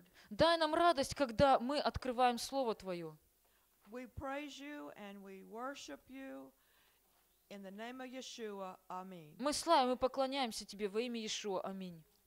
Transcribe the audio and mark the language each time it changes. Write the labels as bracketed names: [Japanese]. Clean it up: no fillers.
[Russian] Дай нам радость, когда мы открываем Слово Твое. [English] We praise you and we worship you in the name of Yeshua. Amen. [Russian] Мы славим и поклоняемся Тебе во имя Иешуа. Аминь.